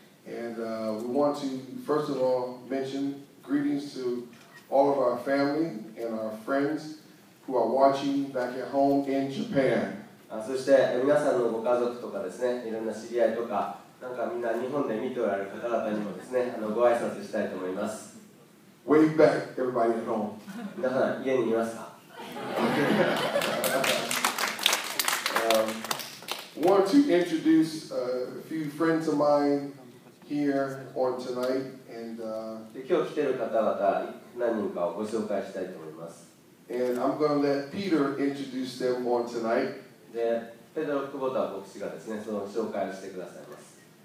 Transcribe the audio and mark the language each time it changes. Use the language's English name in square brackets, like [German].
[English] And we want to, first of all, mention greetings to all of our family and our friends who are watching back at home in Japan. [Japanese] そして皆さんのご家族とかですね、いろんな知り合いとか、なんかみんな日本で見ておられる方々にもですね、ご挨拶したいと思います。 [English] Wave back, everybody at home. [Japanese] 皆さん、家にいますか [English] want to introduce a few friends of mine here on tonight. And, [Japanese] で今日来ている方々、何人かをご紹介したいと思います。 [English] And I'm going to let Peter introduce them on tonight. [Japanese] で、ペドロ・クボタ牧師がですね、その紹介をしてくださいます。